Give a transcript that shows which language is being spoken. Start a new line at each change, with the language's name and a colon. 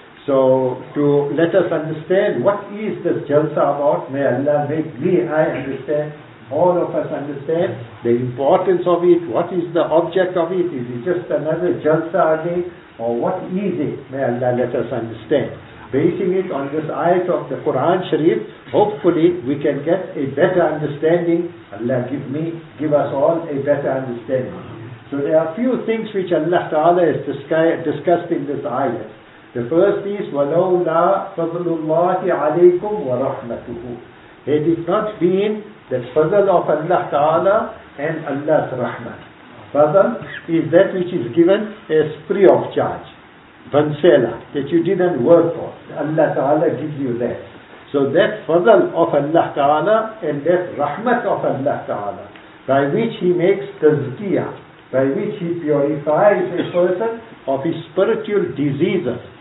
English: So, to let us understand what is this Jalsa about, may Allah make me, I understand, all of us understand the importance of it, what is the object of it, is it just another Jalsa again, or what is it, may Allah let us understand. Basing it on this ayat of the Quran Sharif, hopefully we can get a better understanding. Allah give us all a better understanding. So there are a few things which Allah Ta'ala has discussed in this ayat. The first is,
Arabic: وَلَوْلَا فَضْلُ اللَّهِ عَلَيْكُمْ وَرَحْمَتُهُ.
English: Had it not been the fadl of Allah Ta'ala and Allah's rahmah. Fadl is that which is given as free of charge. Vansela, that you didn't work for. Allah Ta'ala gives you that. So that fadl of Allah Ta'ala and that rahmat of Allah Ta'ala, by which He makes tazkiyah, by which He purifies a person of his spiritual diseases.